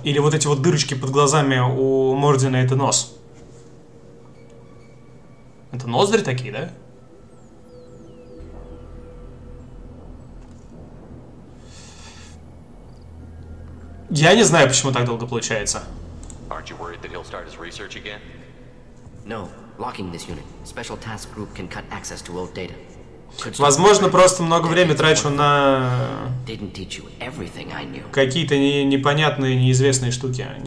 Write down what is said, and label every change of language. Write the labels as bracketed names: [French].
[Russian] Или вот эти вот дырочки под глазами у Мордина — это нос. Это ноздри такие, да? Я не знаю, почему так долго получается. [English] Aren't you worried that he'll start his research again? No, locking this unit. Special task group can cut access to old data. [Russian] Возможно, просто много времени трачу на какие-то непонятные, неизвестные штуки.